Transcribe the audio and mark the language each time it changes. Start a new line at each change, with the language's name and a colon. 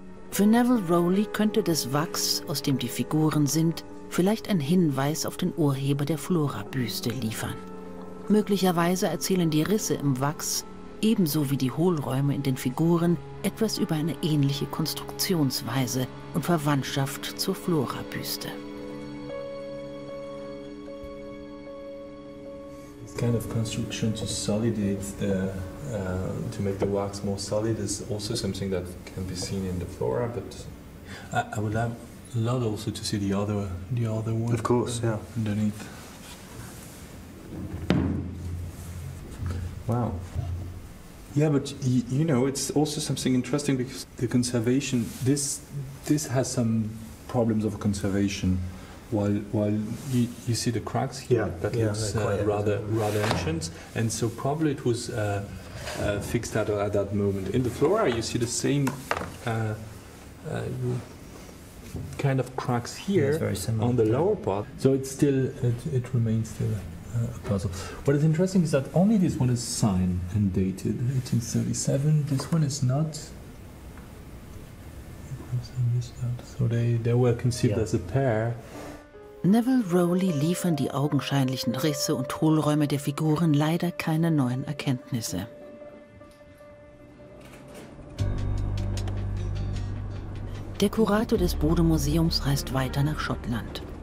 German: Für Neville Rowley könnte das Wachs, aus dem die Figuren sind, vielleicht einen Hinweis auf den Urheber der Flora-Büste liefern. Möglicherweise erzählen die Risse im Wachs, ebenso wie die Hohlräume in den Figuren, etwas über eine ähnliche Konstruktionsweise und Verwandtschaft zur Flora-Büste.
English: This kind of construction to solidate the to make the wax more solid is also something that can be seen in the flora, but I would have loved also to see the other one. Of course, yeah. Underneath. Wow. Yeah, but you know, it's also something interesting because the conservation, this has some problems of conservation. While you see the cracks here, yeah, that looks rather ancient, and so probably it was fixed at that moment. In the flora, you see the same kind of cracks here on the lower part. So it remains still puzzle. What is interesting is that only this one is signed and dated 1837. This one is not. So they were conceived as a pair.
German: Neville Rowley liefern die augenscheinlichen Risse und Hohlräume der Figuren leider keine neuen Erkenntnisse. Der Kurator des Bode-Museums reist weiter nach Schottland.